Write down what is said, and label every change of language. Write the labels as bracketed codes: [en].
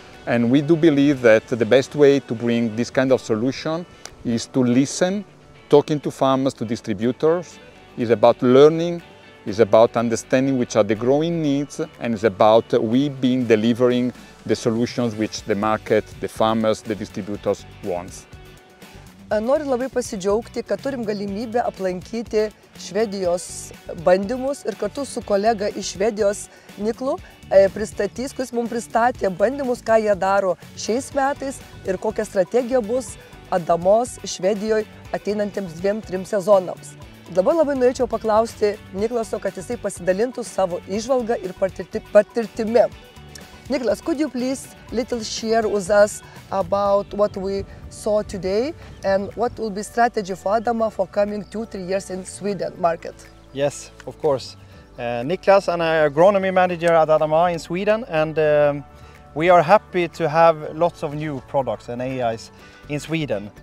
[en] And we do believe that the best way to bring this kind of solution is to listen, talking to farmers, to distributors, is about learning, is about understanding which are the growing needs, and is about we being delivering the solutions which the market, the farmers, the distributors wants. [lt] Noriu labai pasidžiaugti, kad turim galimybę aplankyti Švedijos bandymus ir kartu su kolega iš Švedijos Niklu pristatys, kuris mums pristatė bandymus, ką jie daro šiais metais ir kokia strategija bus ADAMOS Švedijoje ateinantiems 2-3 sezonams. Dabar labai norėčiau paklausti Niklaso, kad jisai pasidalintų savo įžvalgą ir patirtimi. [en] Niklas, could you please little share with us about what we saw today and what will be strategy for ADAMA for coming 2-3 years in Sweden market? Yes, of course. Niklas, I'm an agronomy manager at ADAMA in Sweden, and we are happy to have lots of new products and AIs in Sweden.